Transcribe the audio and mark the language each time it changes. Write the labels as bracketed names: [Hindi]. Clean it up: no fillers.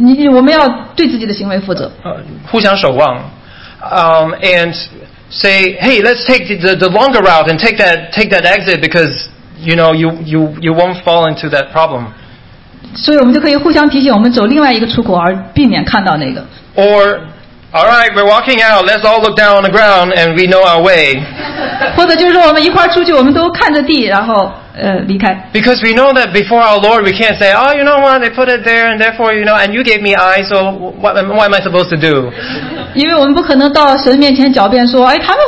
[Chinese] 我们要对自己的行为负责。互相守望。 [English] And say, hey, let's take the longer route and take that exit because, you know, you won't fall into that problem. [Chinese] 所以我们就可以互相提醒我们走另外一个出口而避免看到那个。 [English] Or, all right, we're walking out, let's all look down on the ground and we know our way. [Chinese] 或者就是说我们一块儿出去我们都看着地然后。 [English] Because we know that before our Lord, we can't say, oh, you know what, they put it there, and therefore, you know, and you gave me eyes, so what am I supposed to do? Because we can't go to God's face and say, hey, they put it there, so what?